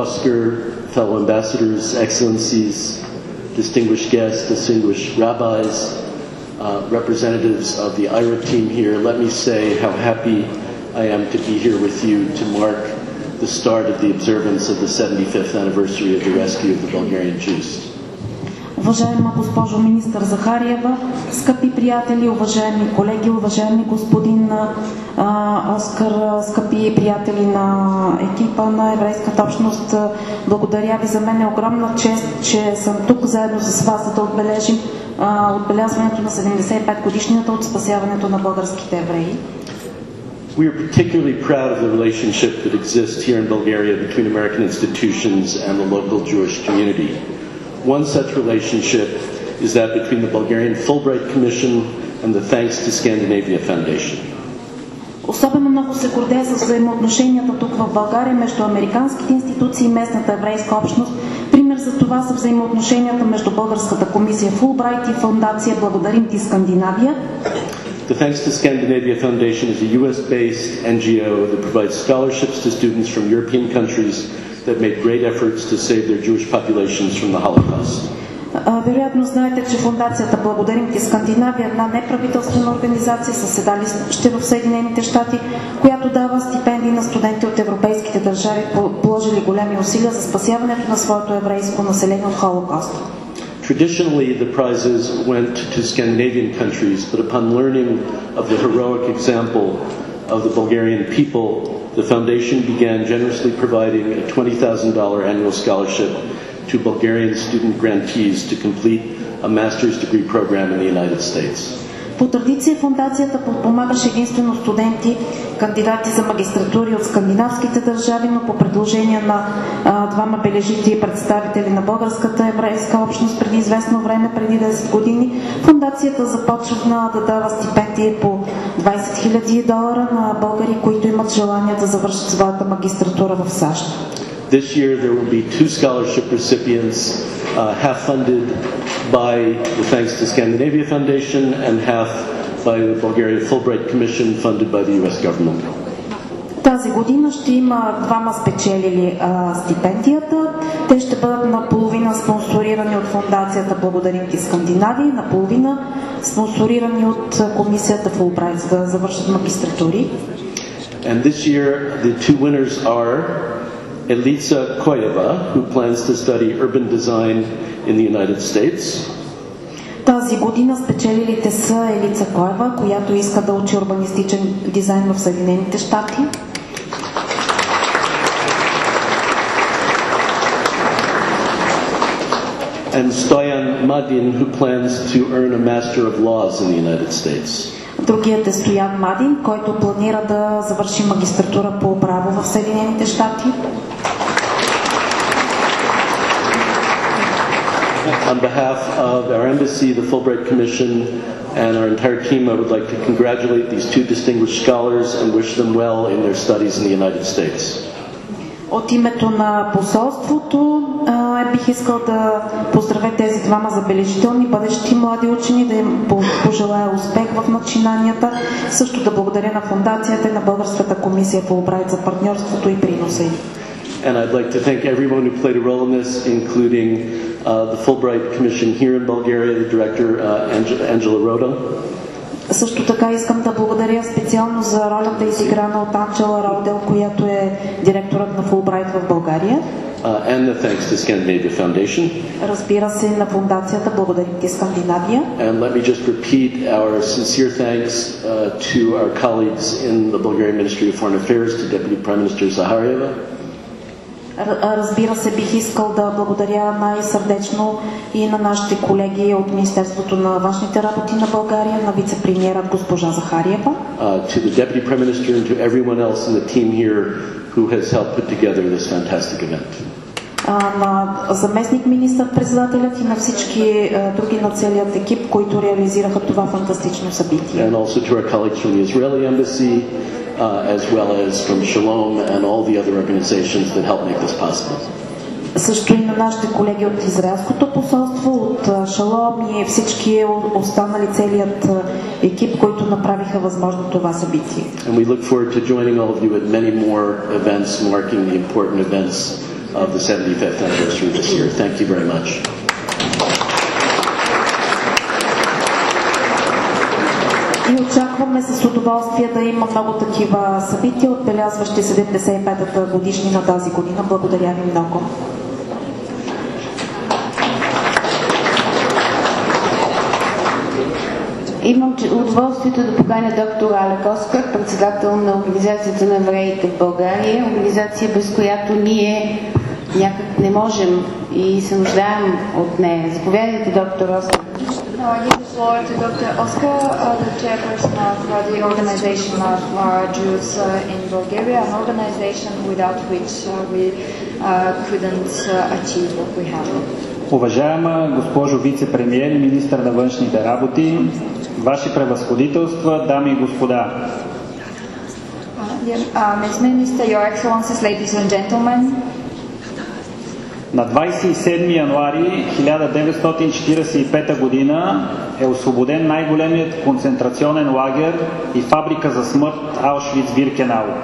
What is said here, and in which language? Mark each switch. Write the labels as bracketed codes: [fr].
[en] Oscar, fellow ambassadors, excellencies, distinguished guests, distinguished rabbis, representatives of the IRA team here. Let me say how happy I am to be here with you to mark the start of the observance of the 75th anniversary of the rescue of the Bulgarian Jews. [bg] Уважаема госпожо министър Захариева, скъпи приятели, уважаеми колеги, уважаеми господин Оскар, скъпи приятели на екипа на еврейската общност, благодаря ви, за мен е огромна чест, че съм тук заедно с вас, за да отбележим отбелязването на 75 годишнината от спасяването на българските евреи. [en] We are particularly proud of the relationship that exists here in Bulgaria between American institutions and the local Jewish community. One such relationship is that between the Bulgarian Fulbright Commission and the Thanks to Scandinavia Foundation. [bg] Особено много се гордея със взаимоотношенията тук в България между американските институции и местната еврейска общност. Пример за това са взаимоотношенията между българската комисия Fulbright и фондация Благодарим ти Скандинавия. [en] The Thanks to Scandinavia Foundation is a US-based NGO that provides scholarships to students from European countries that made great efforts to save their Jewish populations from the Holocaust. [bg] Вероятно знаете, че фондацията Благодарим ти Скандинавия е една неправителствена организация със седалище в Съединените щати, която дава стипендии на студенти от европейските държави, положили големи усилия за спасяването на своето еврейско население от Холокоста. [en] Traditionally, the prizes went to Scandinavian countries, but upon learning of the heroic example of the Bulgarian people, the foundation began generously providing a $20,000 annual scholarship to Bulgarian student grantees to complete a master's degree program in the United States. [bg] По традиция фондацията подпомагаше единствено студенти, кандидати за магистратури от скандинавските държави, но по предложение на двама бележити и представители на българската еврейска общност преди известно време, преди 10 години, фондацията започна да дава стипендии по 20 000 долара на българи, които имат желание да завършат своята магистратура в САЩ. [en] This year there will be two scholarship recipients, half funded by the Thanks to Scandinavia Foundation and half by the Bulgaria Fulbright Commission funded by the US government. [bg] Тази година ще има двама спечелили стипендията. Те ще бъдат наполовина спонсорирани от фондацията Благодарим ти Скандинавии, наполовина спонсорирани от комисията Fulbright за да завършат магистратури. [en] And this year the two winners are Elisa Koyeva, who plans to study urban design in the United States. [bg] Тази година спечелилите са Елица Коева, която иска да учи урбанистичен дизайн в Съединените щати. [en] And Stoyan Madin, who plans to earn a Master of Laws in the United States. [bg] Другият е Стоян Мадин, който планира да завърши магистратура по право в Съединените щати. [en] On behalf of our embassy, the Fulbright Commission, and our entire team, I would like to congratulate these two distinguished scholars and wish them well in their studies in the United States. [bg] От името на посолството бих искал да поздравя тези двама забележителни бъдещи млади учени, да им пожелая успех в начинанията, също да благодаря на фондацията и на българската комисия Fulbright за партньорството и приноса им. [en] And I'd like to thank everyone who played a role in this, including the Fulbright Commission here in Bulgaria, the director Angela Rota. [bg] Също така искам да благодаря специално за ролята изиграна от Анджела Родел, която е директорът на Fulbright в България. [en] And the thanks to Scandinavia Foundation. [bg] Разбира се, на фондацията Благодарим ти Скандинавия. [en] And let me just repeat our sincere thanks to our colleagues in the Bulgarian Ministry of Foreign Affairs, to Deputy Prime Minister Zakharieva. [bg] Разбира се, бих искал да благодаря най-сърдечно и на нашите колеги от Министерството на външните работи на България, на вице-премиерът госпожа Захариева. [en] To the Deputy Prime Minister and to everyone else in the team here who has helped put together this fantastic event. [bg] На заместник министър-председателят и на всички други на целият екип, които реализираха това фантастично събитие. [en] And also to our colleagues from the Israeli Embassy, as well as from Shalom and all the other organizations that help make this possible. [bg] Също и на нашите колеги от Израелското посолство, от Шалом и всички останали целият екип, които направиха възможно това събитие. [en] And we look forward to joining all of you at many more events marking the important events of the 75th anniversary this year. Thank you very much. [bg] Очакваме с удоволствие да има много такива събития, отбелязващи 75-та годишнина тази година. Благодаря ви много. Имам удоволствието да поканя доктор Алек Оскар, председател на Организацията на евреите в България, организация без която ние някак не можем и се нуждаем от нея. Заповядайте, доктор Оскар. [en] I give the floor to Dr. Oskar, the chairperson of the organization of Jews in Bulgaria, an organization without which we couldn't achieve what we have. [bg] Уважаема госпожо вице-премиер и министър на външните работи, ваши превъзходителства, дами и господа. [en] Ms. Minister, your excellencies, ladies and gentlemen. [bg] На 27 януари 1945 година е освободен най-големият концентрационен лагер и фабрика за смърт Аушвиц-Биркенау.